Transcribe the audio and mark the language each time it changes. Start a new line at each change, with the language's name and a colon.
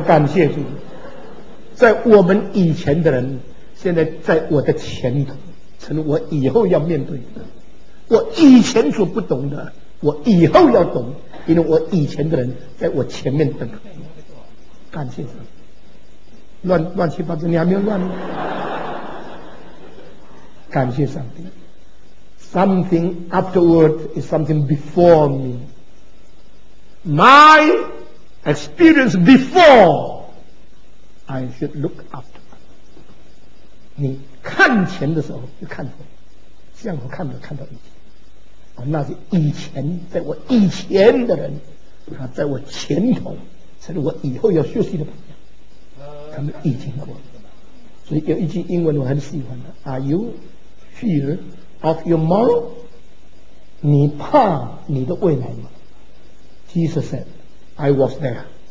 Chinese: 感谢主，在我们以前的人现在在我的前头，成了我以后要面对的。我以前所不懂的我以后要懂，因为我以前的人在我前面等。感谢神，乱七八糟，你还没有乱吗？感谢上帝，
English: Something afterward is something before me. My experience before I should look after.
Chinese: 你看前的时候就看后，向后看的看到以前，那是以前在我以前的人，他在我前头，成了我以后要学习的榜样。他们已经过了，所以有一句英文我很喜欢的 ：
English: Are you fear of your morrow？
Chinese: 你怕你的未来吗 ？
English: Jesus said, "I was there."